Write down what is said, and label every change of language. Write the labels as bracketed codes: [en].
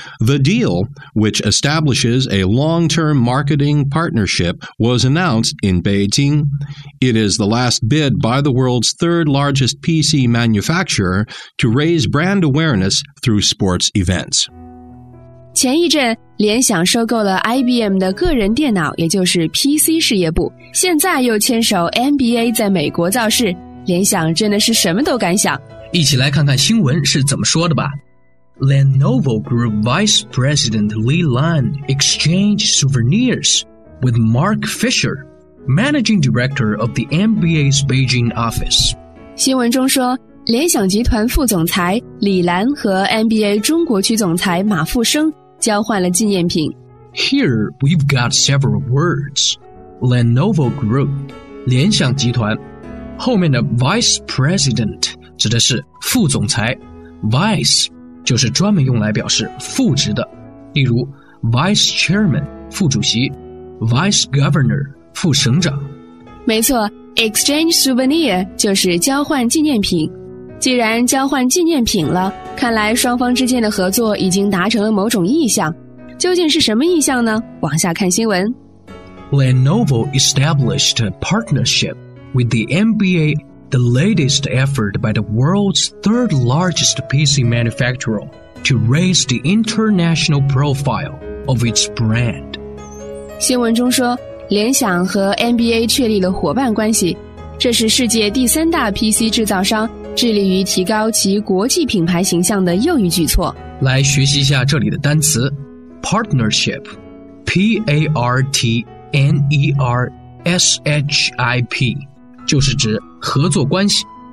[en] The deal, which establishes a long-term marketing partnership, was announced in Beijing. It is the last bid by the world's third largest PC manufacturer to raise brand awareness through sports events. [zh] 前一阵联想收购了 IBM 的个人电脑，也就是 PC 事业部，现在又牵手 NBA 在美国造势，联想真的是什么都敢想。一起来看看新闻是怎么说的吧。 [en] Lenovo Group Vice President Li Lan exchanged souvenirs with Mark Fisher, Managing Director of the NBA's Beijing office. [zh] 新闻中说，联想集团副总裁李兰和 NBA 中国区总裁马富生交换了纪念品。 [en] Here we've got several words. [zh] Lenovo Group, 联想集团，后面的 Vice President 指的是副总裁， Vice 就是专门用来表示副职的，例如 Vice Chairman 副主席， Vice Governor 副省长。没错， Exchange Souvenir 就是交换纪念品。既然交换纪念品了，看来双方之间的合作已经达成了某种意向。究竟是什么意向呢？往下看新闻。 [en] Lenovo established a partnership with the NBA, the latest effort by the world's third largest PC manufacturer to raise the international profile of its brand. [zh] 新闻中说，联想和 NBA 确立了伙伴关系，这是世界第三大 PC 制造商致力于提高其国际品牌形象的又一举措。来学习一下这里的单词 Partnership P-A-R-T-N-E-R-S-H-I-P 就是指合作关系。